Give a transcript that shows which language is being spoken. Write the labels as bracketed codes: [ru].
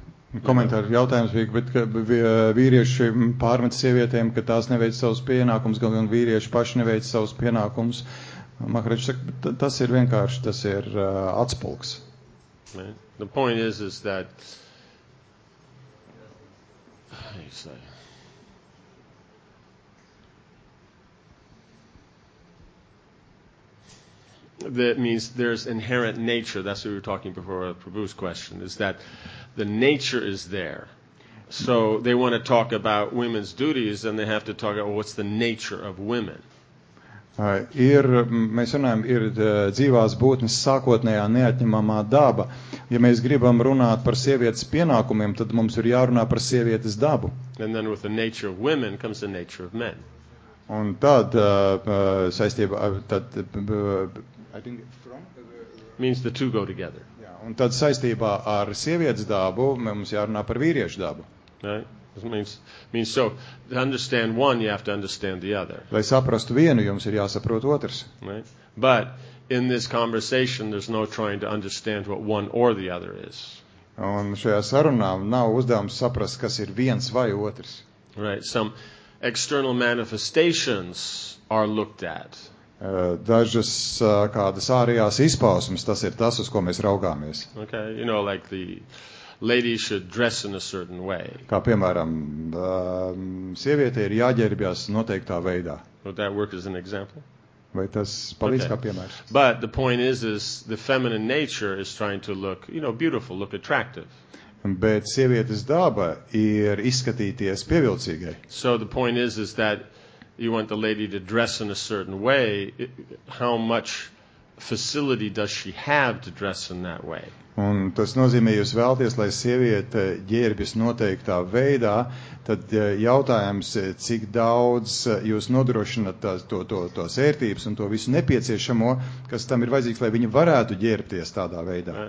[lv] Komentāri jautājums bija, bet vīrieši pārmet sievietēm, ka tās neveic savus pienākumus, gan vīrieši paši neveic savus pienākumus. Makarīši saka, tas ir vienkārši, tas ir atspulgs. [en] Right. The point is that, how you say, that means there's inherent nature, that's what we were talking before with Prabhu's question, is that the nature is there. So they want to talk about women's duties, and they have to talk about what's the nature of women. [lv] Mēs runājam, ir dzīvās būtnes sākotnējā neatņemamā daba. Ja mēs gribam runāt par sievietes pienākumiem, tad mums ir jārunā par sievietes dabu. [en] And then with the nature of women comes the nature of men. [lv] Un tad saistība... Tad, [en] I think from... Means the two go together. [lv] Yeah, un tad saistībā ar sievietes dabu mums jārunā par vīriešu dabu. [en] Right. Means so to understand one you have to understand the other. [lv] Lai saprastu vienu, jums ir jāsaprot otrs. [en] Right? But in this conversation there's no trying to understand what one or the other is. [lv] Un šajā sarunā nav uzdevums saprast, kas ir viens vai otrs. [en] Right, some external manifestations are looked at. [lv] Dažas kādas ārējās izpausmes, tas ir tas, uz ko mēs raugāmies. [en] Okay, you know, like the ladies should dress in a certain way. [lv] Kā piemēram, sievietei ir jāģērbjas noteiktā veidā. [en] Would that work as an example? [lv] Vai tas palīdz kā piemērs? [en] But the point is the feminine nature is trying to look, you know, beautiful, look attractive. [lv] Bet sievietes daba ir izskatīties pievilcīgai. [en] So the point is that you want the lady to dress in a certain way, how much facility does she have to dress in that way? [lv] Un tas nozīmē, jūs vēlties, lai sieviete ģērbjas noteiktā veidā, tad jautājums, cik daudz jūs nodrošinat to ērtības un to visu nepieciešamo, kas tam ir vajadzīgs, lai viņa varētu ģērbties tādā veidā.